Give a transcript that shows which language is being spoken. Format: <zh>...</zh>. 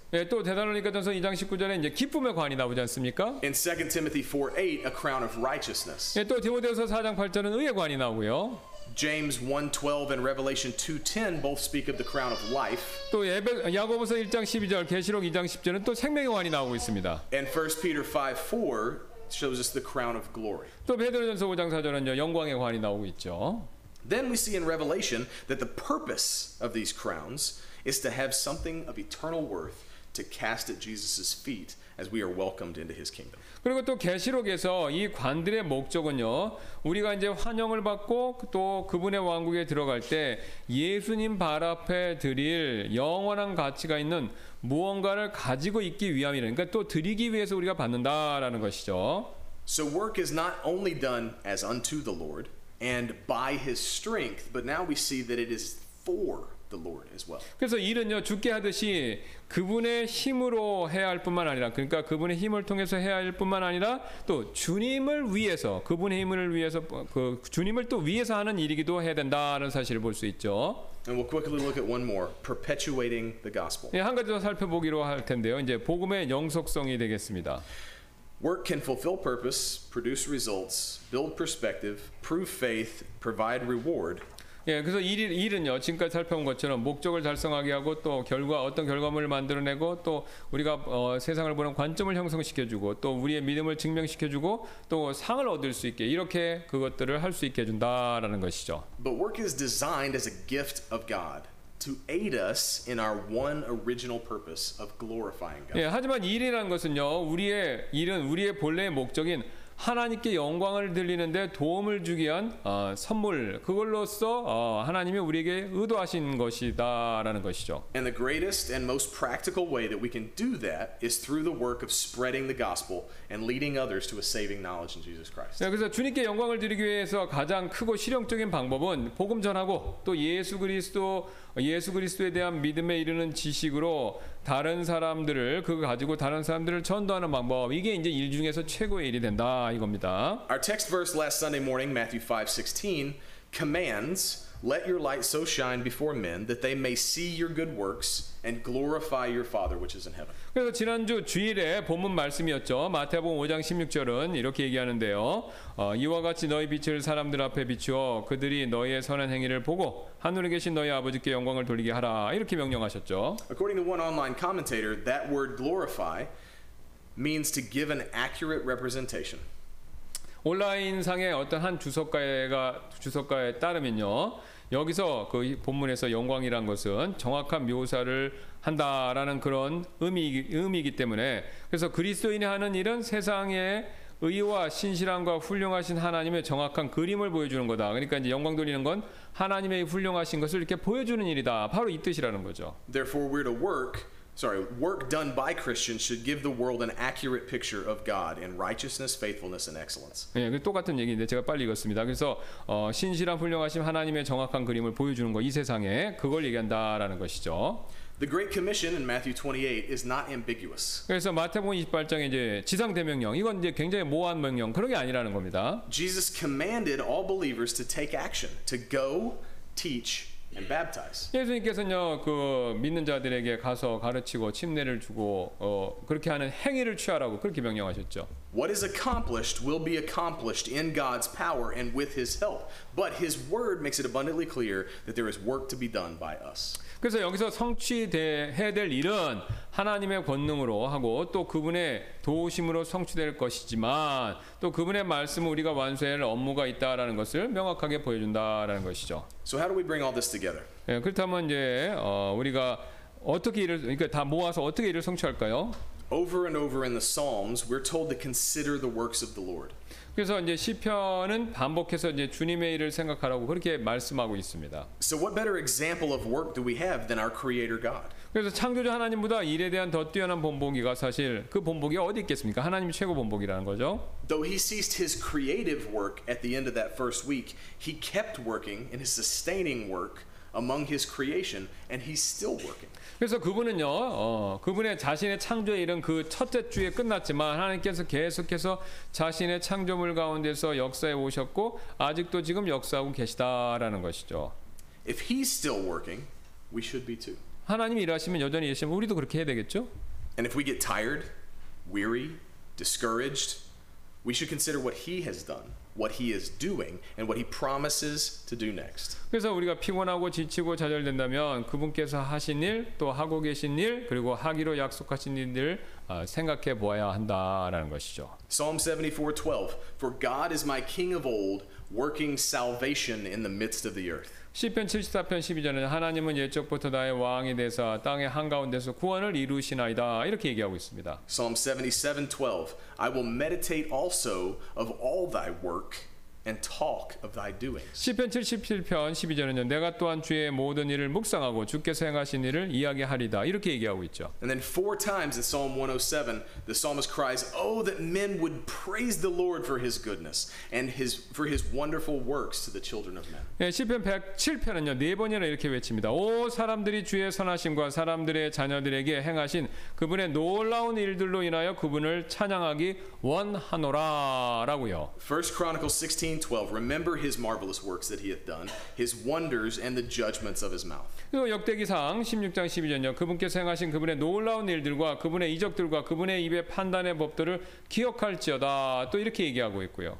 <ko>예, 또 데살로니가전서 2장 19절에 이제 기쁨의 관이 나오지 않습니까?</ko> <en>In 2 Timothy 4:8, a crown of righteousness.</en> <ko>예, 또 디모데후서 4장 8절은 의의 관이 나오고요.</ko> <en>James 1:12 and Revelation 2:10 both speak of the crown of life.</en> <ko>또 야고보서 1장 12절, 계시록 2장 10절은 또 생명의 관이 나오고 있습니다.</ko> <en>And 1 Peter 5:4 shows us the crown of glory.</en> <ko>또 베드로전서 5장 4절은요, 영광의 관이 나오고 있죠.</ko> <en>Then we see in Revelation that the purpose of these crowns is to have something of eternal worth to cast at Jesus' feet as we are welcomed into his kingdom.</en> <ko>그리고 또 계시록에서 이 관들의 목적은요. 우리가 이제 환영을 받고 또 그분의 왕국에 들어갈 때 예수님 발 앞에 드릴 영원한 가치가 있는 무언가를 가지고 있기 위함이라니까 그러니까 또 드리기 위해서 우리가 받는다라는 것이죠.</ko> <en>So work is not only done as unto the Lord and by his strength, but now we see that it is for the Lord as well.</en> <ko>그래서 일은요 주께 하듯이 그분의 힘으로 해야 할 뿐만 아니라 그러니까 그분의 힘을 통해서 해야 할 뿐만 아니라 또 주님을 위해서 그분의 힘을 위해서 그 주님을 또 위해서 하는 일이기도 해야 된다는 사실을 볼 수 있죠.</ko> <en>And we'll quickly look at one more, perpetuating the gospel.</en> <ko>예, 한 가지 더 살펴보기로 할 텐데요. 이제 복음의 영속성이 되겠습니다.</ko> <en>Work can fulfill purpose, produce results, build perspective, prove faith, provide reward.</en> <ko>예, 그래서 일은요 지금까지 살펴본 것처럼 목적을 달성하게 하고 또 결과 어떤 결과물을 만들어내고 또 우리가 세상을 보는 관점을 형성시켜주고 또 우리의 믿음을 증명시켜주고 또 상을 얻을 수 있게 이렇게 그것들을 할 수 있게 해준다라는 것이죠.</ko> <en>But work is designed as a gift of God to aid us in our one original purpose of glorifying God.</en> <ko>예, 하지만 일이라는 것은요 우리의 일은 우리의 본래의 목적인 하나님께 영광을 드리는 데 도움을 주기 위한 선물 그걸로써 하나님이 우리에게 의도하신 것이다라는 것이죠.</ko> <en>And the greatest and most practical way that we can do that is through the work of spreading the gospel and leading others to a saving knowledge in Jesus Christ.</en> <ko>네, 그래서 주님께 영광을 드리기 위해서 가장 크고 실용적인 방법은 복음 전하고 또 예수 그리스도에 대한 믿음에 이르는 지식으로 다른 사람들을 그거 가지고 다른 사람들을 전도하는 방법 이게 이제 일 중에서 최고의 일이 된다. 이겁니다.</ko> <en>Our text verse last Sunday morning, Matthew 5:16, commands, "Let your light so shine before men that they may see your good works and glorify your Father which is in heaven."</en> <ko>그래서 지난주 주일에 본문 말씀이었죠. 마태복음 5장 16절은 이렇게 얘기하는데요. 이와 같이 너희 빛을 사람들 앞에 비추어 그들이 너희의 선한 행위를 보고 하늘에 계신 너희 아버지께 영광을 돌리게 하라. 이렇게 명령하셨죠.</ko> <en>According to one online commentator, that word glorify means to give an accurate representation.</en> <ko>온라인상의 어떤 한 주석가에 따르면요. 여기서 그 본문에서 영광이란 것은 정확한 묘사를 한다라는 그런 의미이기 때문에 그래서 그리스도인이 하는 일은 세상의 의와 신실함과 훌륭하신 하나님의 정확한 그림을 보여주는 거다. 그러니까 이제 영광 돌리는 건 하나님의 훌륭하신 것을 이렇게 보여주는 일이다. 바로 이 뜻이라는 거죠.</ko> <en>Therefore we're to work work done by Christians should give the world an accurate picture of God in righteousness, faithfulness, and excellence.</en> <ko>예, 그 똑같은 얘기인데 제가 빨리 읽었습니다. 그래서 신실한 훌륭하신 하나님의 정확한 그림을 보여주는 거 이 세상에 그걸 얘기한다라는 것이죠.</ko> <en>The Great Commission in Matthew 28 is not ambiguous.</en> <ko>그래서 마태복음 28장에 이제 지상 대명령 이건 이제 굉장히 모호한 명령 그런 게 아니라는 겁니다.</ko> <en>Jesus commanded all believers to take action, to go teach. And baptize.</en> <ko>예수님께서는요, 그 믿는 자들에게 가서 가르치고 침례를 주고 그렇게 하는 행위를 취하라고 그렇게 명령하셨죠.</ko> <en>What is accomplished will be accomplished in God's power and with His help. But His word makes it abundantly clear that there is work to be done by us.</en> <ko>그래서 여기서 성취해야 될 일은 하나님의 권능으로 하고 또 그분의 도우심으로 성취될 것이지만 또 그분의 말씀 우리가 완수할 업무가 있다라는 것을 명확하게 보여준다라는 것이죠.</ko> <en>So how do we bring all this together?</en> <ko>예, 그렇다면 이제 우리가 어떻게 일을 그러니까 다 모아서 어떻게 일을 성취할까요?</ko> <en>Over and over in the Psalms, we're told to consider the works of the Lord.</en> <ko>그래서 이제 시편은 반복해서 이제 주님의 일을 생각하라고 그렇게 말씀하고 있습니다.</ko> <en>So what better example of work do we have than our Creator God?</en> <ko>그래서 창조주 하나님보다 일에 대한 더 뛰어난 본보기가 사실 그 본보기 어디 있겠습니까? 하나님이 최고 본보기라는 거죠.</ko> <en>Though he ceased his creative work at the end of that first week, he kept working in his sustaining work among his creation, and he's still working.</en> <ko>그래서 그분은요, 그분의 자신의 창조의 일은 그 첫째 주에 끝났지만 하나님께서 계속해서 자신의 창조물 가운데서 역사에 오셨고 아직도 지금 역사하고 계시다라는 것이죠.</ko> <en>If he's still working, we should be too.</en> <ko>하나님이 일하시면 여전히 계시면 우리도 그렇게 해야 되겠죠?</ko> <en>And if we get tired, weary, discouraged, we should consider what he has done. What he is doing and what he promises to do next.</en> <ko>그래서 우리가 피곤하고 지치고 좌절된다면 그분께서 하신 일 또 하고 계신 일 그리고 하기로 약속하신 일들 생각해 보아야 한다라는 것이죠.</ko> <en>Psalm 74:12. For God is my king of old, working salvation in the midst of the earth.</en> <ko>시편 74편 12절은 하나님은 옛적부터 나의 왕이 되사 땅의 한가운데서 구원을 이루시나이다 이렇게 얘기하고 있습니다.</ko> <en>Psalm 77:12 I will meditate also of all thy work and talk of thy doings.</en> <ko>시편 77편 12절은요 내가 또한 주의 모든 일을 묵상하고 주께서 행하신 일을 이야기하리다 이렇게 얘기하고 있죠.</ko> <en>And then four times in Psalm 107 the psalmist cries oh that men would praise the Lord for his goodness and his for his wonderful works to the children of men.</en> <ko>예, 시편 107편은요 네 번이나 이렇게 외칩니다. 오 사람들이 주의 선하심과 사람들의 자녀들에게 행하신 그분의 놀라운 일들로 인하여 그분을 찬양하기 원하노라라고요.</ko> <en>First Chronicles 16 12. Remember his marvelous works that he hath done, his wonders and the judgments of his mouth.</en> <ko>역대기상 16장 12절요. 그분께서 행하신 그분의 놀라운 일들과 그분의 이적들과 그분의 입의 판단의 법들을 기억할지어다. 또 이렇게 얘기하고 있고요.</ko>